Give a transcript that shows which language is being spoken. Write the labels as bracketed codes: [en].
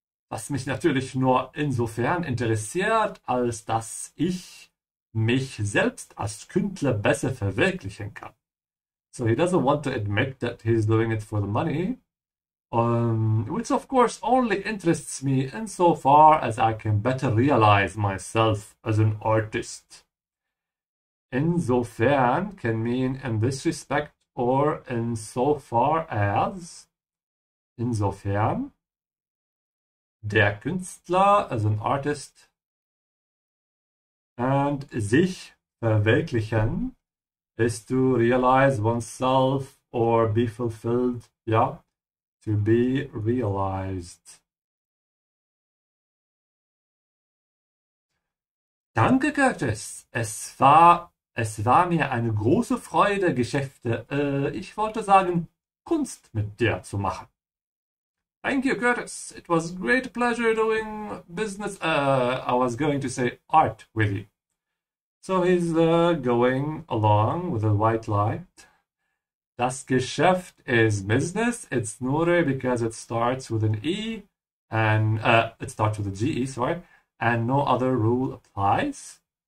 [de] Was mich natürlich nur insofern interessiert, als dass ich mich selbst als Künstler besser verwirklichen kann. [en] So he doesn't want to admit that he's doing it for the money. Which of course only interests me insofar as I can better realize myself as an artist. Insofern can mean in this respect or in so far as insofern der Künstler, also ein Artist, and sich verwirklichen, is to realize oneself or be fulfilled, ja, to be realized. [de] Danke, Curtis. Es war mir eine große Freude, ich wollte sagen, Kunst mit dir zu machen. [en] Thank you, Curtis. It was a great pleasure doing business. I was going to say art with you. So he's going along with a white lie. Das Geschäft is business. It's nur because it starts with an E and it starts with a GE, sorry, and no other rule applies.